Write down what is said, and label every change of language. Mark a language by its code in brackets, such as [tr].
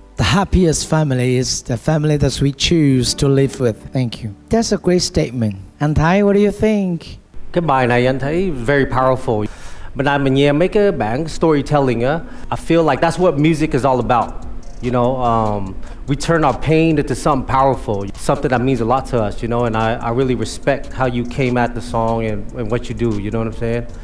[en] The happiest family is the family that we choose to live with. Thank you. That's a great statement. And Thái, what do you think? [vi] Cái bài này anh thấy [en] very powerful. [vi] Bên này mình nghe mấy cái bản storytelling á. [en] I feel like that's what music is all about. You know, we turn our pain into something powerful, something that means a lot to us, you know, and I really respect how you came at the song and what you do, you know what I'm saying?